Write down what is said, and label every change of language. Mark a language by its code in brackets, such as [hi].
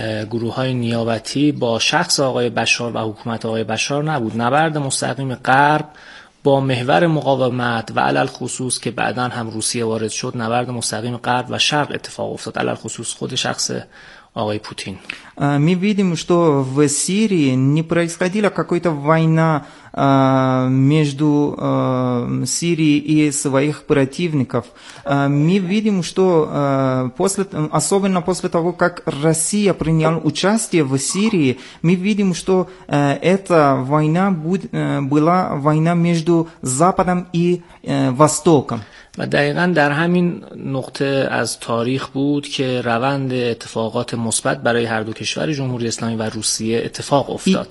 [fa] گروه‌های نیابتی با شخص آقای بشار و حکومت آقای بشار نبود. نبرد مستقیم غرب با محور مقاومت و علل خصوص که بعداً هم روسیه وارد شد، نبرد مستقیم غرب و شرق اتفاق افتاد، علل خصوص خود شخص آقای پوتین. [ru] Мы видим, что в Сирии не происходила какая-то война между Сирией и своих противников. Мы видим, что после, особенно после того, как Россия приняла участие в Сирии, мы видим, что эта война была война между Западом и Востоком. [fa] و دقیقا در همین نقطه از تاریخ بود که روند اتفاقات مثبت برای هر دو کشور جمهوری اسلامی و روسیه اتفاق افتاد.